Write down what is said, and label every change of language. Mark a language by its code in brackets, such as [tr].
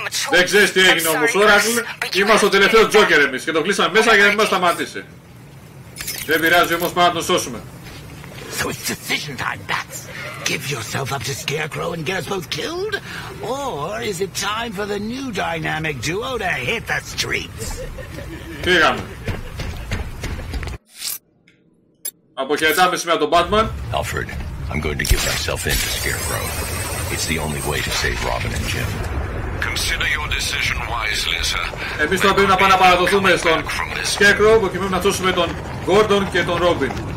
[el] Δεν ξέρεις τι έγινε όμως, Oracle. Είμαστε ο τελευταίο Τζόκερ εμείς και το κλείσαμε μέσα για να μην μας σταματήσει. Δεν πειράζει όμως, πάμε να τον σώσουμε. [en] So it's decision time, Bats. Give yourself up to Scarecrow and get us both killed? Or is it time for the new dynamic duo to hit the streets? [el] Φύγαμε. Αποχαιρετάμε σήμερα τον Batman. [en] Alfred, I'm going to give myself in to Scarecrow. It's the only way to save Robin and Jim. Consider your decision wisely, sir. [el] Εμείς τώρα πρέπει να πάμε να παραδοθούμε στον Scarecrow προκειμένου να σώσουμε τον Gordon και τον Robin.